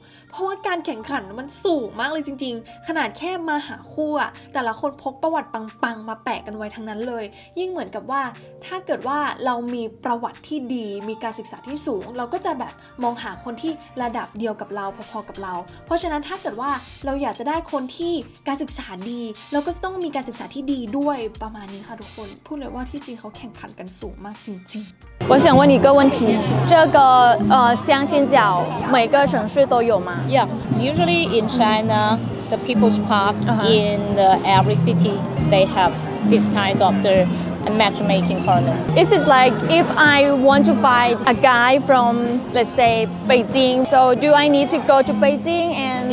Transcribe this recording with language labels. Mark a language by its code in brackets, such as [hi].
[th] เพราะว่าการแข่งขันมันสูงมากเลยจริงๆขนาดแค่มาหาคู่อ่ะแต่ละคนพกประวัติปังๆมาแปะกันไว้ทั้งนั้นเลยยิ่งเหมือนกับว่าถ้าเกิดว่าเรามีประวัติที่ดีมีการศึกษาที่สูงเราก็จะแบบมองหาคนที่ระดับเดียวกับเราพอๆกับเราเพราะฉะนั้นถ้าเกิดว่าเราอยากจะได้คนที่การศึกษาดีแล้วก็ต้องมีการศึกษาที่ดีด้วยประมาณนี้ค่ะทุกคนพูดเลยว่าที่จริงเขาแข่งขันกันสูงมากจริง [zh] ๆ我想问一个问题这个相亲角每个城市都有吗 [en] Yeah usually in China the People's Park in the every city they have this kind of theA matchmaking corner. Is it like if I want to find a guy from, let's say, Beijing, so do I need to go to Beijing and...